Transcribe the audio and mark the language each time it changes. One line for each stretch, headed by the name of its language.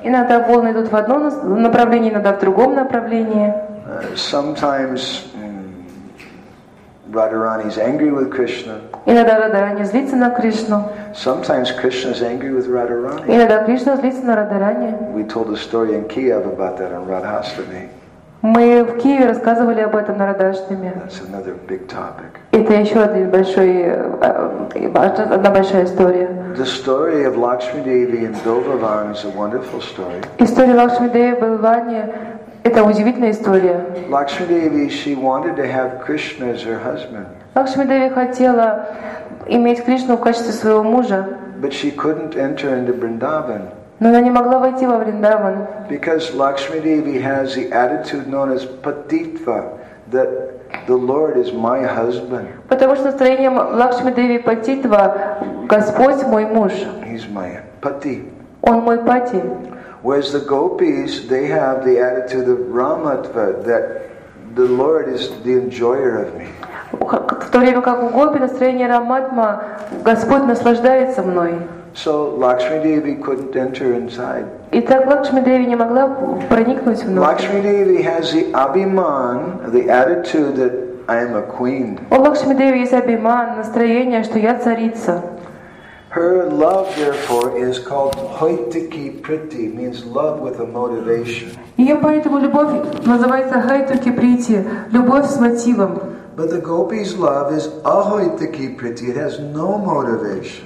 Russian: Иногда волны идут в одном направлении, иногда в другом направлении.
English: Sometimes Radharani is angry with Krishna.
Russian: Иногда Радхарани злится на Кришну.
English: Sometimes Krishna is angry with Radharani.
Russian: Иногда Кришна злится на Радхарани.
English: We told a story in Kiev about that on Radhashtami.
Russian: Мы в Киеве рассказывали об этом на Радхаштаме.
English: That's another big topic.
Russian: Это еще одна большая история.
English: The story of Lakshmi Devi in Bilvavan is a wonderful story.
Russian: История Лакшми Деви в Бильваване — это удивительная история.
English: Lakshmi Devi, she wanted to have Krishna as her husband.
Russian: Лакшми Деви хотела иметь Кришну в качестве своего мужа.
English: But she couldn't enter into Vrindavan.
Russian: Но она не могла войти во Вриндаван.
English: Because Lakshmi Devi has the attitude known as patitva, that the Lord is my husband.
Russian: Потому что настроение Лакшми Деви патитва — Господь мой муж.
English: He's my pati.
Russian: Он мой пати.
English: Whereas the gopis, they have the attitude of Ramatva, that the Lord is the enjoyer of me.
Russian: В то время как у гопи настроение Раматма — Господь наслаждается мной.
English: So Lakshmi Devi couldn't enter inside.
Russian: Итак, Лакшми Деви не могла проникнуть внутрь.
English: Lakshmi Devi has the abhiman, the attitude that I am a queen.
Russian: У Лакшми Деви есть абиман, настроение, что я царица.
English: Her love, therefore, is called haituki priti, means love with a motivation.
Russian: Ее поэтому любовь называется haituki priti, любовь с мотивом.
English: But the gopi's love is ahoitaki priti. It has no motivation.